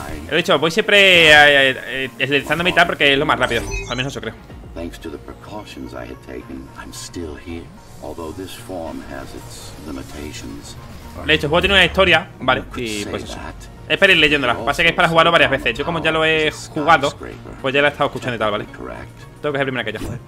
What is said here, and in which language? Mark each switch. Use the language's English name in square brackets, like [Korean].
[Spanish] He dicho, voy siempre deslizando a mitad porque es lo más rápido. Al menos eso creo. [English] Thanks to the precautions I had taken, I'm still here. Although this form has its limitations. [Spanish] De hecho, el juego tiene una historia, vale, y pues eso. Espera ir leyéndola, pasa que es para jugarlo varias veces. Yo como ya lo he jugado, pues ya la he estado escuchando y tal, vale. Tengo que ser primero que yo.